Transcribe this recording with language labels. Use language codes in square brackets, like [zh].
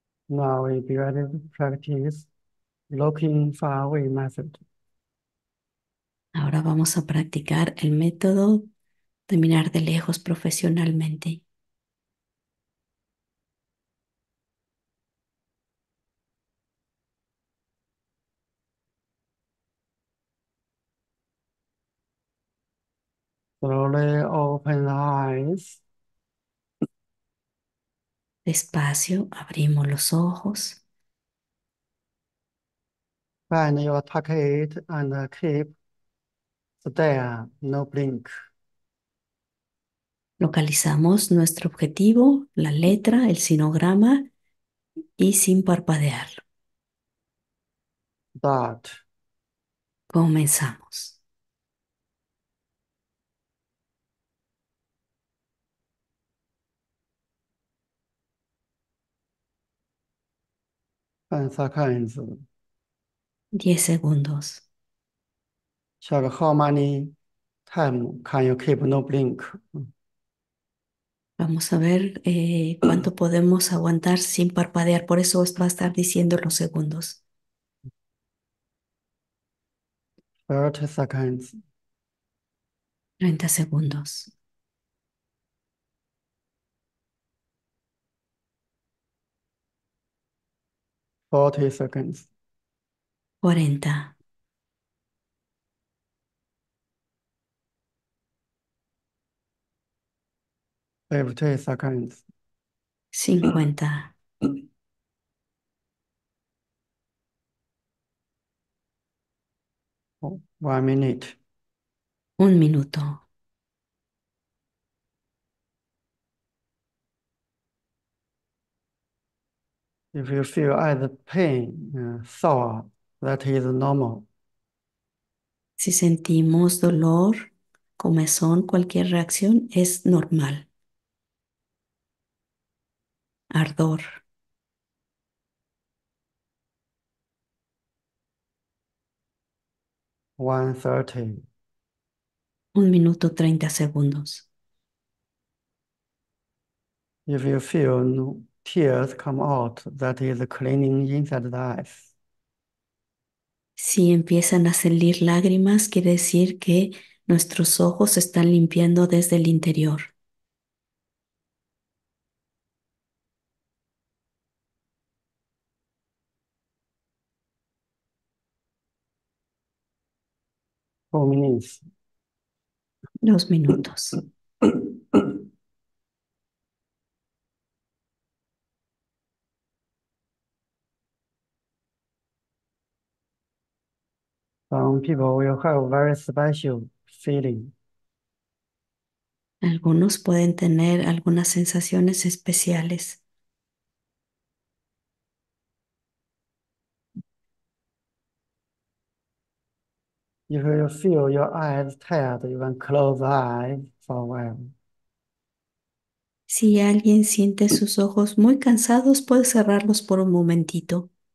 [en] Now we begin to practice looking far away method. [es] Ahora vamos a practicar el método de mirar de lejos profesionalmente. [en] Slowly open eyes. [es] Despacio abrimos los ojos. [en] Find your target and keep there, no blink. [es] Localizamos nuestro objetivo, la letra, el sinograma y sin parpadear. Dot. Comenzamos. Pensa kinds. 10 segundos. [en] Check how many time can you keep no blink? [es] Vamos a ver cuánto podemos aguantar sin parpadear. Por eso os va a estar diciendo los segundos. [en] 30 seconds. [es] 30 segundos. [en] 40 seconds. [es] 40. [en] 50 seconds. [es] 50. [en] 1 minute. [es] 1 minuto. [en] If you feel either pain, sore, that is normal. [es] Si sentimos dolor, comezón, cualquier reacción es normal. Ardor. [en] One [es] 1 minuto 30 segundos. [en] If you feel no tears come out, that is cleaning inside the eyes. [es] Si empiezan a salir lágrimas, quiere decir que nuestros ojos se están limpiando desde el interior. Oh, Dos minutos. [en] Some people will have a very special feeling. [es] Algunos pueden tener algunas sensaciones especiales. [en] You will feel your eyes tired, you can close eyes for a while. [es] Si alguien siente sus ojos muy cansados, puede cerrarlos por un momentito.